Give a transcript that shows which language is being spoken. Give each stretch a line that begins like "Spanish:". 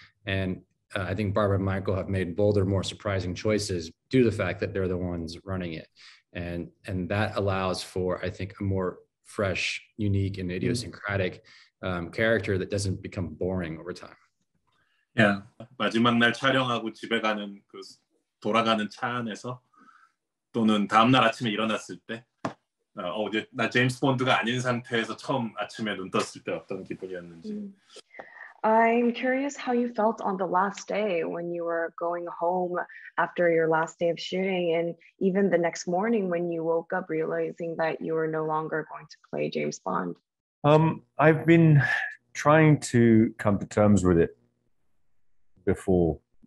English: And I think Barbara and Michael have made bolder, more surprising choices due to the fact that they're the ones running it. And that allows for, I think, a more fresh, unique, and idiosyncratic character that doesn't become boring over time. Yeah.
Korean: 마지막 날 촬영하고 집에 가는 그 돌아가는 차 안에서 또는 다음 날 아침에 일어났을 때 어제 나 제임스 본드가 아닌 상태에서 처음 아침에 눈 떴을 때 어떤 기분이었는지.
English: I'm curious how you felt on the last day when you were going home after your last day of shooting, and even the next morning when you woke up realizing that you were no longer going to play James Bond. I've been trying to come to terms with it before.